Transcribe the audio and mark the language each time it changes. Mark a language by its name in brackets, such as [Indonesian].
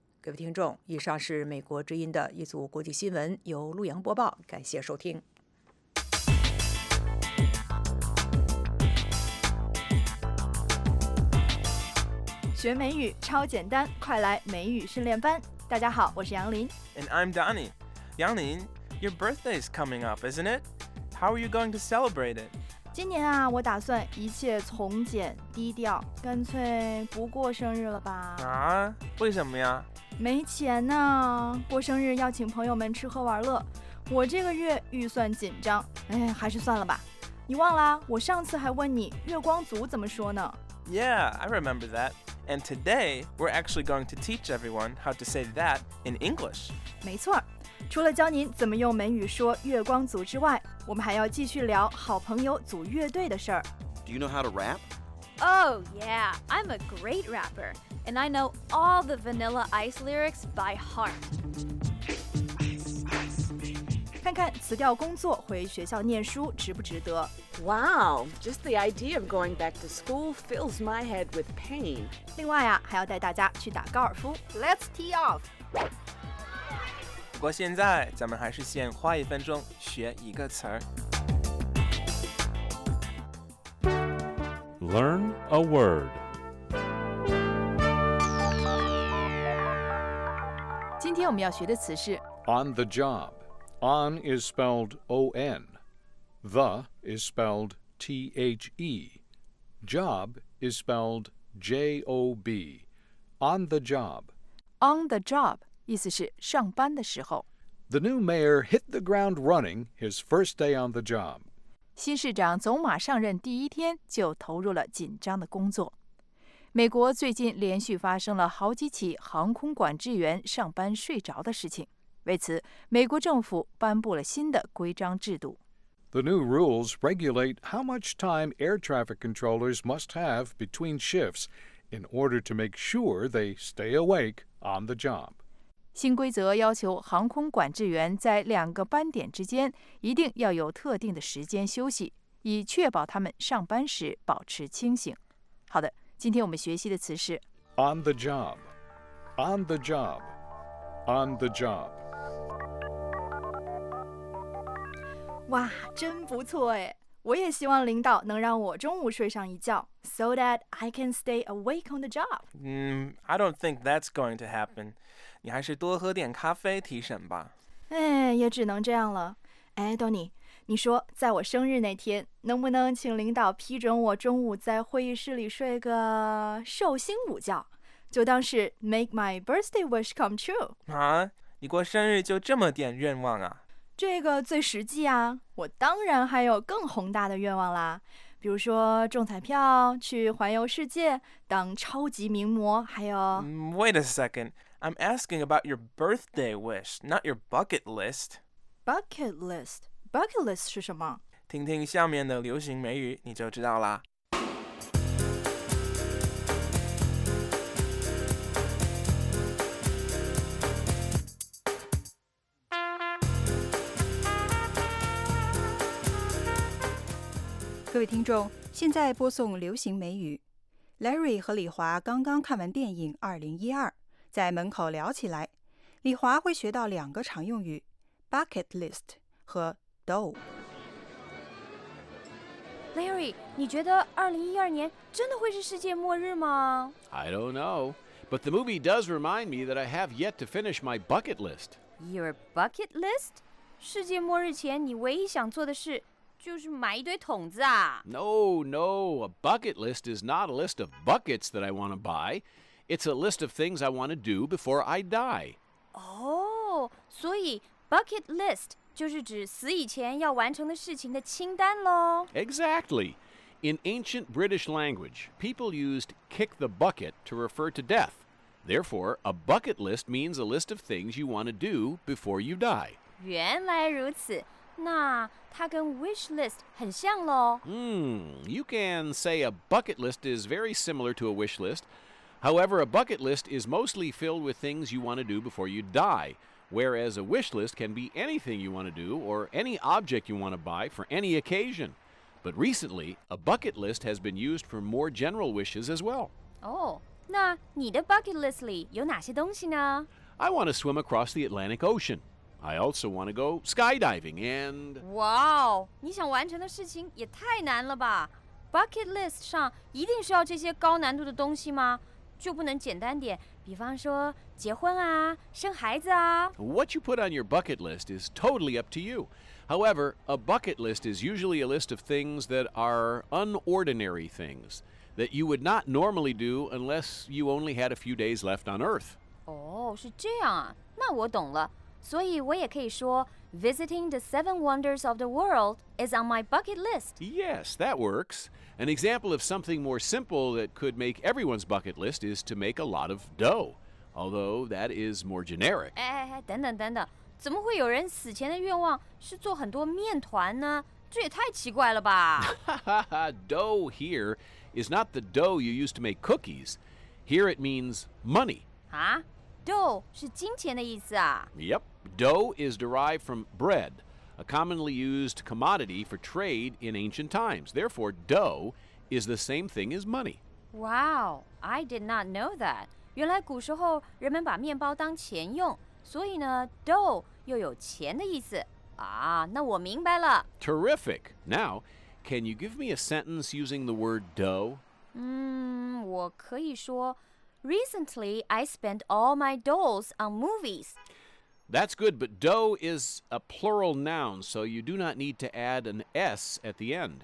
[Chinese] 各位听众，以上是美国之音的一组国际新闻，由陆洋播报，感谢收听。学美语超简单，快来美语训练班。大家好，我是杨林。 [English] And I'm Donnie. 杨林， your birthday is coming up, isn't it? How are you going to celebrate it? [Chinese] 今年啊，我打算一切从简低调，干脆不过生日了吧。啊？为什么呀？没钱呢，过生日要请朋友们吃喝玩乐，我这个月预算紧张，哎，还是算了吧。你忘了，我上次还问你月光族怎么说呢？ [English] Yeah, I remember that. And today, we're actually going to teach everyone how to say that in English. [Chinese] 没错，除了教您怎么用美语说月光族之外，我们还要继续聊好朋友组乐队的事儿。 [English] Do you know how to rap? Oh yeah, I'm a great rapper. And I know all the Vanilla Ice lyrics by heart. Ice, ice, [Chinese] 看看辞掉工作回学校念书值不值得。 [English] Wow, just the idea of going back to school fills my head with pain. [Chinese] 另外啊，还要带大家去打高尔夫。 [English] Let's tee off. [Chinese] 不过现在咱们还是先花一分钟学一个词儿。 [English] Learn a word. [Chinese] 今天我们要学的词是 [English] on the job. On is spelled O-N. The is spelled T-H-E. Job is spelled J-O-B. On the job. On the job, [Chinese] 意思是上班的时候。 The new mayor hit the ground running his first day on the job. 新市长走马上任第一天就投入了紧张的工作。美国最近连续发生了好几起航空管制员上班睡着的事情。为此，美国政府颁布了新的规章制度。 [English] The new rules regulate how much time air traffic controllers must have between shifts in order to make sure they stay awake on the job. [Chinese] 新规则要求航空管制员在两个班点之间一定要有特定的时间休息，以确保他们上班时保持清醒。好的，今天我们学习的词是 [English] on the job, on the job, on the job. [Chinese] 哇，真不错哎！我也希望领导能让我中午睡上一觉 ， [English] so that I can stay awake on the job. I don't think that's going to happen. [Chinese] 你还是多喝点咖啡提神吧。哎，也只能这样了。哎 ，Donnie， 你说在我生日那天，能不能请领导批准我中午在会议室里睡个寿星午觉，就当是 [English] make my birthday wish come true？ [Chinese] 啊，你过生日就这么点愿望啊？这个最实际啊，我当然还有更宏大的愿望啦，比如说中彩票，去环游世界，当超级名模，还有 [English] Wait a second, I'm asking about your birthday wish, not your bucket list. Bucket list? Bucket list [Chinese] 是什么？听听下面的流行美语，你就知道啦。各位听众，现在播送流行美语。 Larry 和李华刚刚看完电影2012，在门口聊起来，李华会学到两个常用语 Bucket list 和 dough。 Larry， 你觉得2012年真的会是世界末日吗？ [English] I don't know, but the movie does remind me that I have yet to finish my bucket list. Your bucket list? [Chinese] 世界末日前你唯一想做的事就是买一堆桶子啊。 [English] No, no, a bucket list is not a list of buckets that I want to buy. It's a list of things I want to do before I die. [Chinese] Oh, 所以 bucket list 就是指死以前要完成的事情的清单咯。 [English] Exactly. In ancient British language, people used kick the bucket to refer to death. Therefore, a bucket list means a list of things you want to do before you die. [Chinese] 原来如此。那它跟 wish list 很像咯。 [English] You can say a bucket list is very similar to a wish list. However, a bucket list is mostly filled with things you want to do before you die, whereas a wish list can be anything you want to do or any object you want to buy for any occasion. But recently, a bucket list has been used for more general wishes as well. [Chinese] Oh, 那你的 bucket list 里有哪些东西呢？ [English] I want to swim across the Atlantic Ocean. I also want to go skydiving and... [Chinese] Wow, 你想完成的事情也太难了吧。 Bucket list 上一定需要这些高难度的东西吗？就不能简单点，比方说结婚啊，生孩子啊。 [English] What you put on your bucket list is totally up to you. However, a bucket list is usually a list of things that are unordinary things that you would not normally do unless you only had a few days left on Earth. [Chinese] Oh, 是这样啊，那我懂了。所以我也可以说 [English] visiting the seven wonders of the world is on my bucket list. Yes, that works. An example of something more simple that could make everyone's bucket list is to make a lot of dough, although that is more generic. [Chinese] 等等，怎么会有人死前的愿望是做很多面团呢？这也太奇怪了吧。 [English] Dough here is not the dough you use to make cookies. Here it means money. [Chinese] 啊?Dough 是金钱的意思啊? [English] Yep. Dough is derived from bread. A commonly used commodity for trade in ancient times. Therefore, dough is the same thing as money. Wow, I did not know that. [Chinese] 原来古时候人们把面包当钱用，所以呢 ，dough 又有钱的意思。啊，那我明白了。 [English] Terrific. Now, can you give me a sentence using the word dough? [Chinese] 我可以说 [English] ，Recently, I spent all my doughs on movies. That's good, but dough is a plural noun, so you do not need to add an S at the end.